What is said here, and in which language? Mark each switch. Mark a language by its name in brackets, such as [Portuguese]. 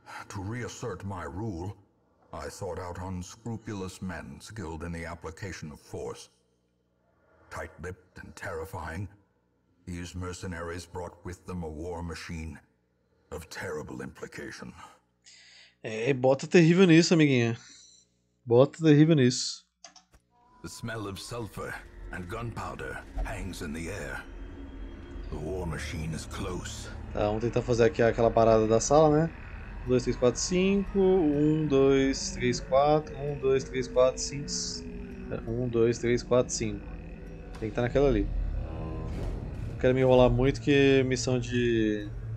[English] To reassert my rule, I sought out unscrupulous men skilled in the application of force. Tight-lipped and terrifying, these mercenaries brought with them a war machine of terrible implication. [Portuguese] É, bota terrível nisso, amiguinha. Bota terrível nisso. [English] The smell of sulfur and gunpowder hangs in the air. The war machine is close. [Portuguese] Tá, vamos tentar fazer aqui aquela parada da sala, né? 2, 3, 4, 5. 1, 2, 3, 4. 1, 2, 3, 4, 5. 1, 2, 3, 4, 5. Tem que estar naquela ali. Não quero me enrolar muito, que missão de...